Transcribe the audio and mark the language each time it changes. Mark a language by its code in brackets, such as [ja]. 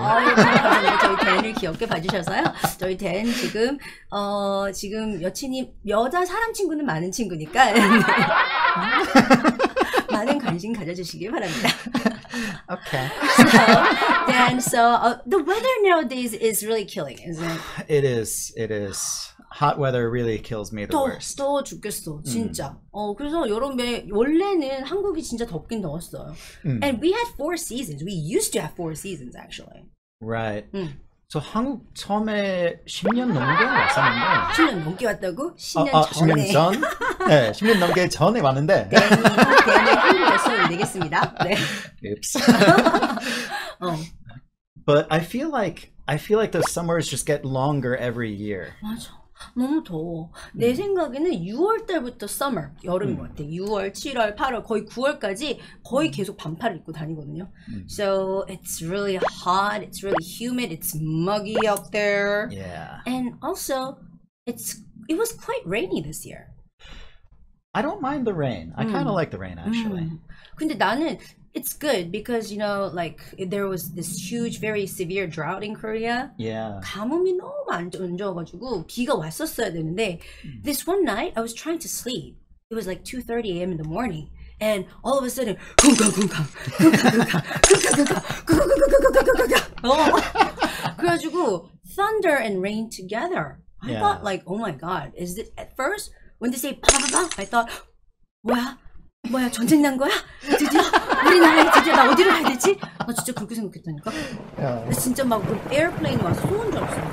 [ko] 아, 저희 댄을 귀엽게 봐주셔서요. 저희 댄 지금 지금 여친이 여자 사람 친구는 많은 친구니까 많은 관심 가져주시길 바랍니다. [en] Okay. The weather nowadays is really killing, isn't it? It is. It is. Hot weather really kills me the worst. [ko] 더워 죽겠어, 진짜. 그래서 여름에 원래는 한국이 진짜 덥긴 더웠어요. [en] And we had four seasons. We used to have four seasons, actually. Right. [ko] So 한국 처음에 10년 넘게 왔었는데. 10년 넘게 왔다고? 10년 전에. 10년 전? 네, 10년 넘게 전에 왔는데. 댄의 힘을 몇 수를 내겠습니다. 네. [en] Oops. But I feel like the summers just get longer every year. [ko] 맞아. 너무 더워. 내 생각에는 6월 때부터 summer, 여름인 것 같아. 6월, 7월, 8월, 거의 9월까지 거의 계속 반팔을 입고 다니거든요. [en] So it's really hot, it's really humid, it's muggy up there. Yeah. And also, it was quite rainy this year. I don't mind the rain. I kind of like the rain, actually. [ko] 근데 나는 [en] it's good because, you know, like there was this huge, very severe drought in Korea. Yeah. [ko] 가뭄이 너무 안 좋아가지고 비가 왔었어야 되는데 [en] this one night, I was trying to sleep. It was like 2:30 a.m. in the morning. And all of a sudden, thunder and rain together. I thought like, oh my God, is it at first? When they say bah-bah-bah, I thought, [ko] 뭐야, 전쟁 난 거야? 드디어? 우리나라에 드디어 나 어디로 가야 되지? 나 진짜 그렇게 생각했다니까? 나 진짜 막 그 에어플레인이 와서 소원 줄 알았어.